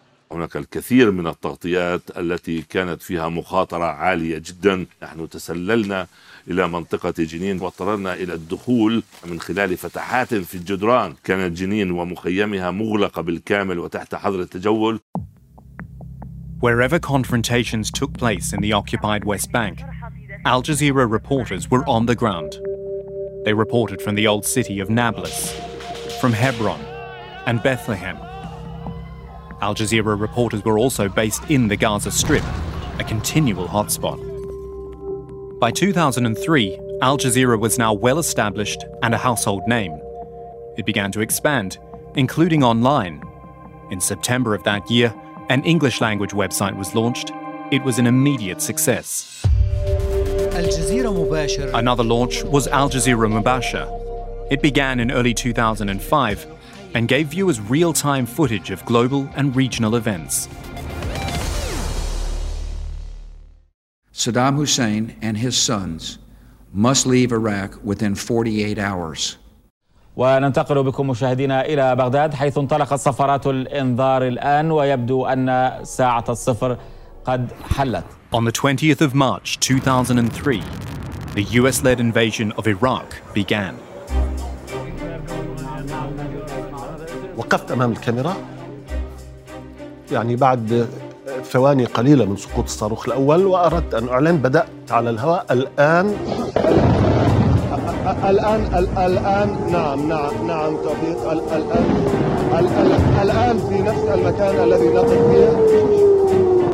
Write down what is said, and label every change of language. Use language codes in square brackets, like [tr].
[ar] هناك الكثير من التغطيات التي كانت فيها مخاطرة عالية جدا. نحن تسللنا إلى منطقة جنين واضطررنا إلى الدخول من خلال فتحات في الجدران. كانت جنين ومخيمها مغلقة بالكامل وتحت حظر التجول. [en] Wherever confrontations took place in the occupied West Bank, Al Jazeera reporters were on the ground. They reported from the old city of Nablus, from Hebron and Bethlehem. Al Jazeera reporters were also based in the Gaza Strip, a continual hotspot. By 2003, Al Jazeera was now well established and a household name. It began to expand, including online. In September of that year, an English language website was launched. It was an immediate success. Another launch was Al Jazeera Mubasher. It began in early 2005 and gave viewers real-time footage of global and regional events. Saddam Hussein and his sons must leave Iraq within 48 hours. [ar] وننتقل بكم مشاهدينا إلى بغداد، حيث انطلقت صفرات الإنذار الآن ويبدو أن ساعة الصفر قد حلت. [en] On the 20th of March 2003, the US-led invasion of Iraq began. [ar] وقفت أمام الكاميرا يعني بعد ثواني قليلة من سقوط الصاروخ الأول وأردت أن أعلن بدأت على الهواء الآن الآن الآن نعم نعم نعم تطبيق الآن الآن في نفس المكان الذي نطق فيه.